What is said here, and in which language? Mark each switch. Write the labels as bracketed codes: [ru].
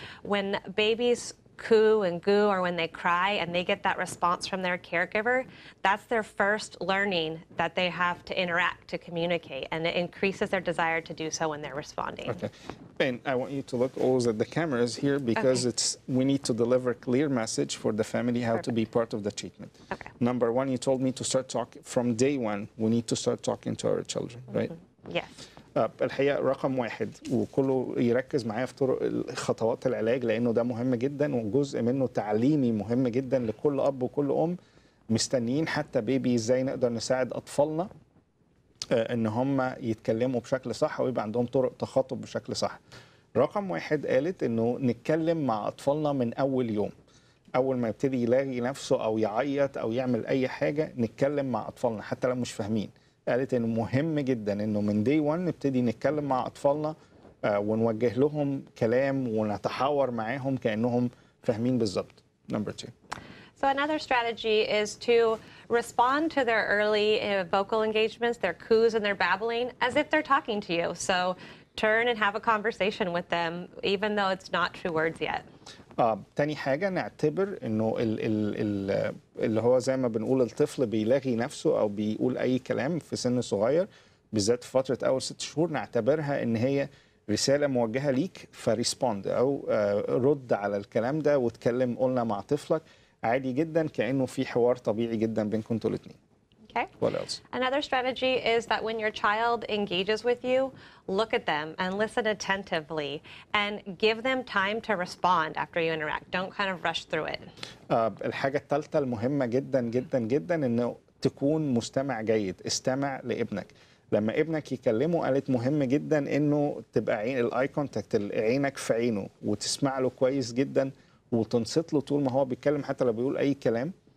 [en] When babies coo and goo, or when they cry and they get that response from their caregiver, that's their first learning that they have to interact, to communicate, and it increases their desire to do so when they're responding. Okay. And I want you to look always at the cameras here because okay. We need to deliver a clear message for the family how Perfect. To be part of the treatment. Okay. Number one, you told me to start talking from day one. We need to start talking to our children, mm-hmm. right? Yes. [ar] الحقيقة رقم واحد وكله يركز معايا في طرق خطوات العلاج لأنه ده مهم جدا وجزء منه تعليمي مهم جدا لكل أب وكل أم مستنيين حتى بيبي إزاي نقدر نساعد أطفالنا إن هم يتكلموا بشكل صح ويبقى عندهم طرق تخاطب بشكل صح. رقم واحد قالت إنه نتكلم مع أطفالنا من أول يوم، أول ما يبتدي يلاقي نفسه أو يعيط أو يعمل أي حاجة نتكلم مع أطفالنا حتى لو مش فاهمين. قالت إنه مهم جدا إنه من [en] دي 1 [ar] نبتدي نتكلم مع أطفالنا ونوجه لهم كلام ونتحاور معاهم كأنهم فاهمين بالضبط. [en] Number 2. So another strategy is to respond to their early vocal engagements, their coos and their babbling, as if they're talking to you. So turn and have a conversation with them, even though it's not true words yet. [ar] تاني حاجة نعتبر إنه اللي هو زي ما بنقول الطفل بيلاغي نفسه أو بيقول أي كلام في سن صغير بالذات فترة أول ست شهور نعتبرها إن هي رسالة موجهة ليك [en] فريسبوند [ar] أو رد على الكلام ده وتكلم قلنا مع طفلك عادي جدا كأنه في حوار طبيعي جدا بينكم انتوا الاثنين. [en] Okay. What else? Another strategy is that when your child engages with you, look at them and listen attentively and give them time to respond after you interact. Don't kind of rush through it. [ar] الحاجة الثالثة المهمة جدا جدا جدا إنه تكون مستمع جيد، استمع لابنك. لما ابنك يكلمه قالت مهم جدا إنه تبقى عين الاي كونتاكت، عينك في عينه وتسمع له كويس جدا وتنصت له طول ما هو بيتكلم حتى لو بيقول أي كلام.